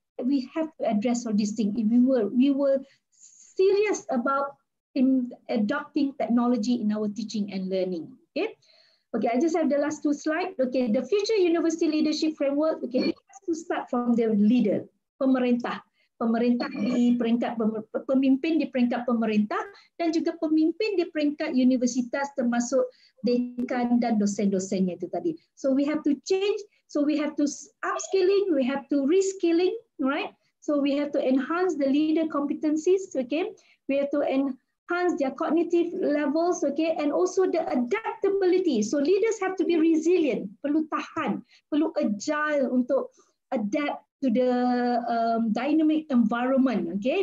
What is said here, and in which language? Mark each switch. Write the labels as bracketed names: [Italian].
[English] We have to address all these things. If we were serious about adopting technology in our teaching and learning. Okay. I just have the last two slides. Okay. The future university leadership framework. Okay. It has to start from the leader, [Malay] pemerintah. Pemerintah di peringkat pemimpin di peringkat pemerintah dan juga pemimpin di peringkat universitas termasuk dekan dan dosen-dosennya itu tadi. [English] So we have to change. So we have to upskilling. We have to reskilling, right? So we have to enhance the leader competencies. Okay, we have to enhance their cognitive levels. Okay, and also the adaptability. So leaders have to be resilient. [Malay] Perlu tahan. Perlu agile untuk [English] adapt to the dynamic environment, okay?